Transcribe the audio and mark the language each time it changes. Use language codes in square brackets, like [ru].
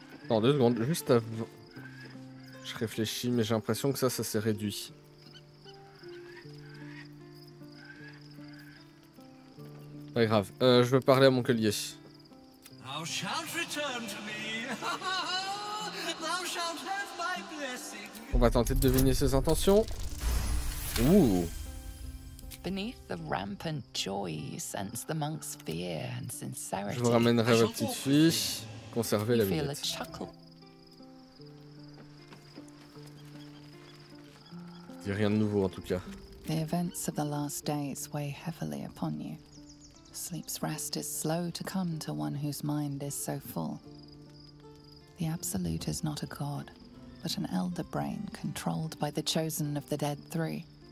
[fr] Non, deux secondes, juste avant. Je réfléchis, mais j'ai l'impression que ça, ça s'est réduit. Pas grave, je veux parler à mon collier. [en] Thou shalt return to me. Thou shalt have my blessing. [fr] On va tenter de deviner ses intentions. Ouh. [en] Beneath the rampant joy, you sense the monk's fear and sincerity. [fr] Je vous ramènerai ma petite fille. Conserver la vie. dit rien de nouveau en tout cas. [en] The events of the last days weigh heavily upon you. Sleep's rest is slow to come to one whose mind is so full. The Absolute is not a god, but an elder brain controlled by the chosen of the Dead Three.